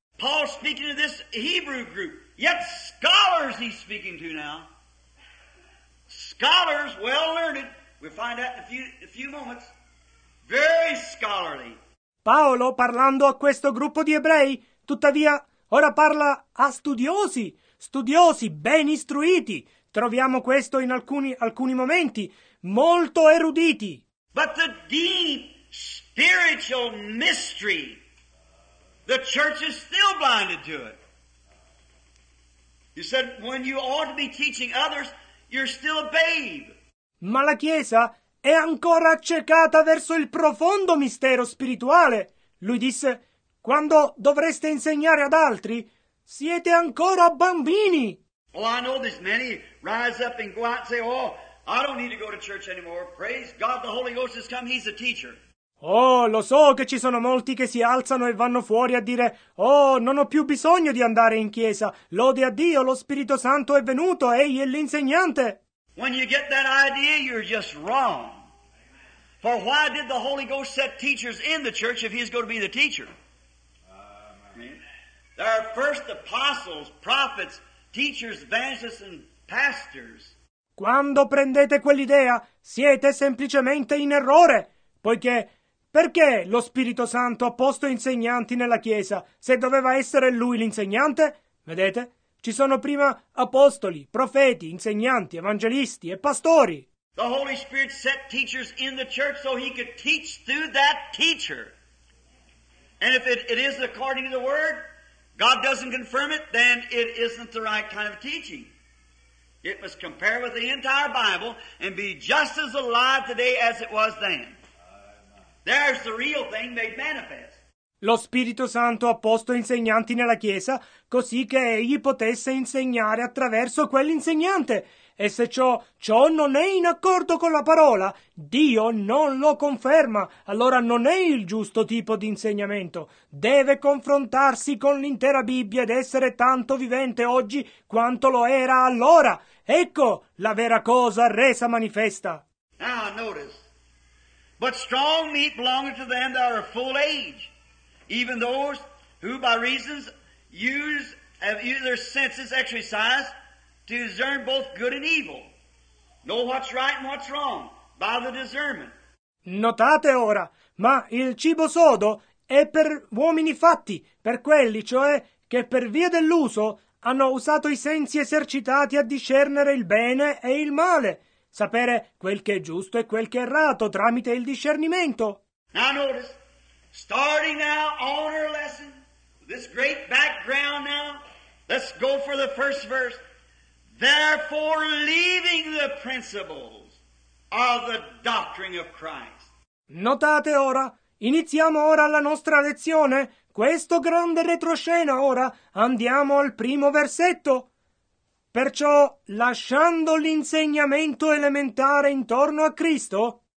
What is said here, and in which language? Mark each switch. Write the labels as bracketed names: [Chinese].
[English] Paul speaking to this Hebrew group, yet scholars he's speaking to now. Scholars, well learned, we'll find out in a few moments, very scholarly. [Italian] Paolo parlando a questo gruppo di ebrei, tuttavia ora parla a studiosi, ben istruiti. Troviamo questo in alcuni momenti, molto eruditi. [English] But the deep spiritual mystery, the church is still blinded to it. You said when you ought to be teaching others, you're still a babe. [Italian] Ma la Chiesa è ancora accecata verso il profondo mistero spirituale. Lui disse, quando dovreste insegnare ad altri, siete ancora bambini. [English] Well, I know there's many rise up and go out and say, oh, I don't need to go to church anymore. Praise God, the Holy Ghost has come, he's a teacher. [Italian] Oh, lo so che ci sono molti che si alzano e vanno fuori a dire, oh, non ho più bisogno di andare in chiesa. Lode a Dio, lo Spirito Santo è venuto, egli è l'insegnante. [English] When you get that idea, you're just wrong. For why did the Holy Ghost set teachers in the church if he's going to be the teacher? There are first apostles, prophets, teachers, evangelists, and pastors. [Italian] Quando prendete quell'idea, siete semplicemente in errore, poiché... Perché lo Spirito Santo ha posto insegnanti nella Chiesa, se doveva essere lui l'insegnante? Vedete? Ci sono prima apostoli, profeti, insegnanti, evangelisti e pastori. [English] The Holy Spirit set teachers in the church so he could teach through that teacher. And if it is according to the word, God doesn't confirm it, then it isn't the right kind of teaching. It must compare with the entire Bible and be just as alive today as it was then. There's the real thing made manifest. [Italian] Lo Spirito Santo ha posto insegnanti nella Chiesa così che egli potesse insegnare attraverso quell'insegnante. E se ciò non è in accordo con la parola, Dio non lo conferma. Allora non è il giusto tipo di insegnamento. Deve confrontarsi con l'intera Bibbia ed essere tanto vivente oggi quanto lo era allora. Ecco la vera cosa resa manifesta. [English] Now notice. But strong meat belongeth to them that are full age, even those who by reasons have used their senses exercised to discern both good and evil, know what's right and what's wrong by the discernment. [Italian] Notate ora, ma il cibo sodo è per uomini fatti, per quelli, cioè, che per via dell'uso hanno usato i sensi esercitati a discernere il bene e il male. Sapere quel che è giusto e quel che è errato tramite il discernimento. [English] Now notice, starting now on our lesson, this great background now, let's go for the first verse. Therefore leaving the principles of the doctrine of Christ. [Italian] Notate ora, Iniziamo ora la nostra lezione. Questo grande retroscena ora. Andiamo al primo versetto. Perciò, lasciando l'insegnamento elementare intorno a Cristo.